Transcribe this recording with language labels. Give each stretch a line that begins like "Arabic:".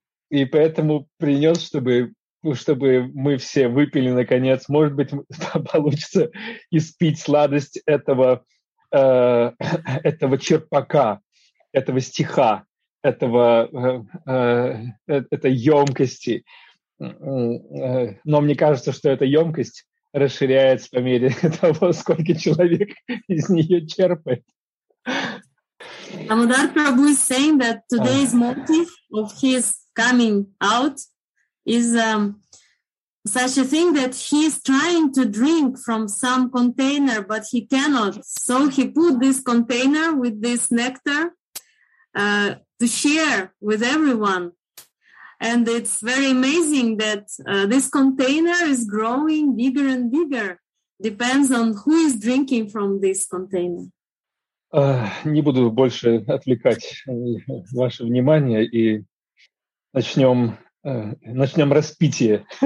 Russian: И поэтому принес, чтобы мы все выпили наконец, может быть, получится испить сладость этого черпака, этого стиха, этой емкости. Но мне кажется, что эта емкость расширяется по мере того, сколько человек из нее черпает.
English: Амудар Прабху is saying that today's motive of his coming out is such a thing that he is trying to drink from some container, but he cannot. So he put this container with this nectar to share with everyone. And it's very amazing that this container is growing bigger and bigger. Depends on who is drinking from this container.
Russian: Не буду больше отвлекать ваше внимание и начнем распитие.